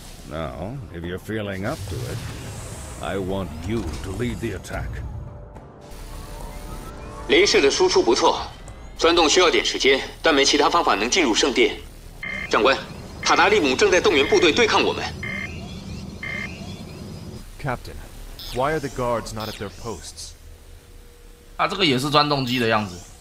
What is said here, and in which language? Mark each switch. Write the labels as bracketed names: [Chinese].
[English] Now, if you're feeling up to it, I want you to lead the attack. [Chinese] 镭射的输出不错，钻洞需要点时间，但没其他方法能进入圣殿。长官，塔达利姆正在动员部队对抗我们。 [English] Captain. Why are the guards not at their posts? [Chinese] 啊，这个也是钻洞机的样子。